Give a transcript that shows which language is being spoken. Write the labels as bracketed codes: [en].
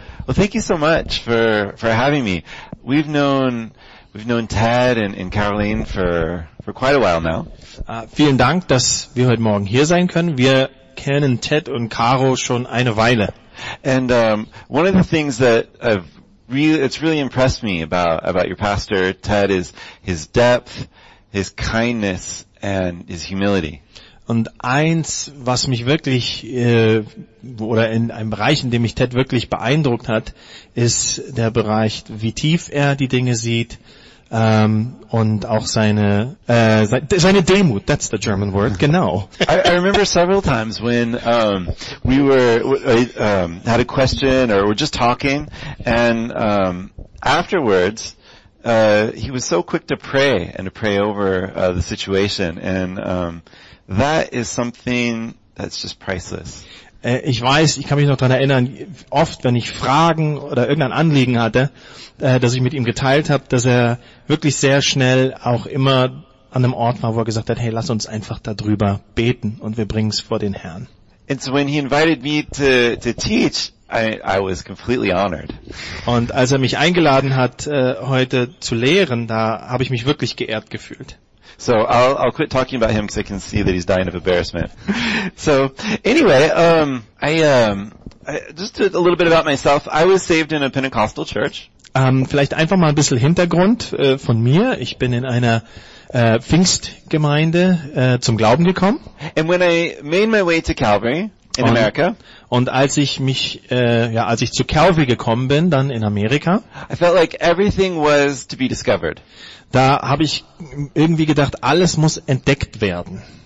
[en] Well, thank you so much for having me. We've known Ted and Caroline for quite a while now. [de] Vielen Dank, dass wir heute Morgen hier sein können. Wir kennen Ted und Caro schon eine Weile. [en] And one of the things that it's really impressed me about your pastor, Ted, is his depth, his kindness, and his humility. [de] Und eins, was mich wirklich, oder in einem Bereich, in dem mich Ted wirklich beeindruckt hat, ist der Bereich, wie tief er die Dinge sieht, und auch seine Demut, [en] that's the German word, [de] genau. [en] I remember several times when we had a question or were just talking, and afterwards, he was so quick to pray and to pray over the situation, and that is something that's just priceless. [de] Ich weiß, ich kann mich noch daran erinnern, oft, wenn ich Fragen oder irgendein Anliegen hatte, das ich mit ihm geteilt habe, dass er wirklich sehr schnell auch immer an einem Ort war, wo er gesagt hat, hey, lass uns einfach darüber beten und wir bringen es vor den Herrn. [en] And so when he invited me to teach, I was completely honored. [de] Und als er mich eingeladen hat, heute zu lehren, da habe ich mich wirklich geehrt gefühlt. [en] So I'll quit talking about him because I can see that he's dying of embarrassment. So anyway, I just a little bit about myself. I was saved in a Pentecostal church. [de] Vielleicht einfach mal ein bisschen Hintergrund von mir. Ich bin in einer Pfingstgemeinde zum Glauben gekommen. [en] And when I made my way to Calvary in America. [de] Und als ich mich als ich zu Calvary gekommen bin, dann in Amerika. [en] I felt like everything was to be discovered. [de] Da habe ich irgendwie gedacht, alles muss entdeckt werden.